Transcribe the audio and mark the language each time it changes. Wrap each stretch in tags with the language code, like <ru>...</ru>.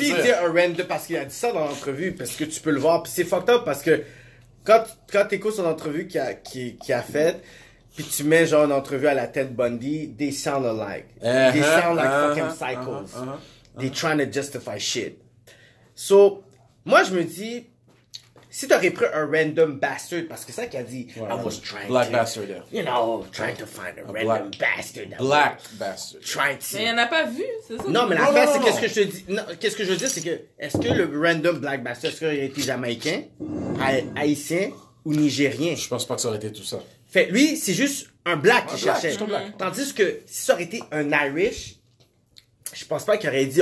<fr>Et si il dit un random, parce qu'il a dit ça dans l'entrevue, parce que tu peux le voir, puis c'est fucked up, parce que quand t'écoutes son entrevue qu'il a faite, puis tu mets genre une entrevue à la Ted Bundy,</fr> <en>they sound alike. They sound like fucking psychos. They trying to justify shit.</en> <fr>So, moi je me dis, si t'aurais pris un</fr> <en>random bastard,</en> <fr>parce que c'est ça qu'il a dit,</fr> <en>I was trying black to. Black bastard, yeah. You know, trying to find a random black, bastard. Black bastard. Trying to.</en> <fr>Mais il n'y en a pas vu, c'est ça? Non, mais la face, c'est qu'est-ce que je dis. Non, qu'est-ce que je dis, c'est que, est-ce que le</fr> <en>random black bastard,</en> <fr>est-ce qu'il aurait été jamaïcain, haïtien ou nigérien? Je pense pas que ça aurait été tout ça. Fait, lui, c'est juste un black qui cherchait. Juste un black. Tandis que si ça aurait été un Irish, je pense pas qu'il aurait dit</fr>